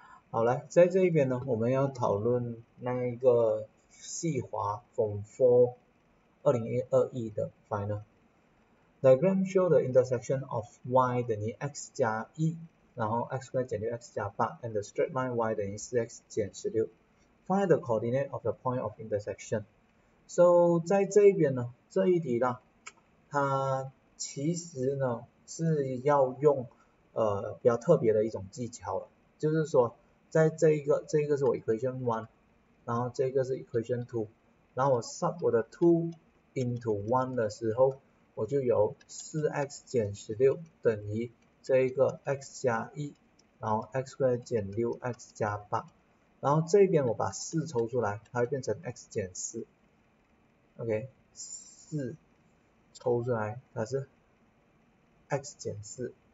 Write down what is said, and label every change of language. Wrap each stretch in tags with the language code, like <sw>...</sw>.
<zh>好了，在这一边呢，我们要讨论那一个细滑 Form 4 2021的 final。</zh> <en>Diagram show the intersection of y 等于 x 加 1，</en> <zh>然后</zh> <en>x 2减6 x 加 8 and the straight line y 等于 4x 减16。 Find the coordinate of the point of intersection。</en> <zh>So 在这一边呢，这一题呢，它其实呢是要用比较特别的一种技巧了，就是说。在这一个是我 equation one，然后这个是 equation two，然后我 sub 我的 two into one 的时候，我就有4x 减16等于这一个 x 加一，然后 x 2减 6x 加8，然后这边我把4抽出来，它会变成 x 减4，OK，4抽出来它是 x 减4。</zh>